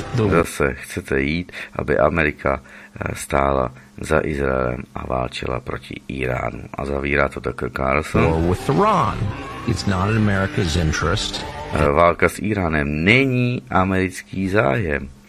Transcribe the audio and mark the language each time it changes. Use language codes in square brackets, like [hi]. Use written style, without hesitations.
[cs] Zase chcete jít, aby Amerika stála za Izraelem a válčila proti Iránu. A zavírá to Tucker Carlson. [en] It's not in America's interest. [cs] Válka s Iránem není americký zájem.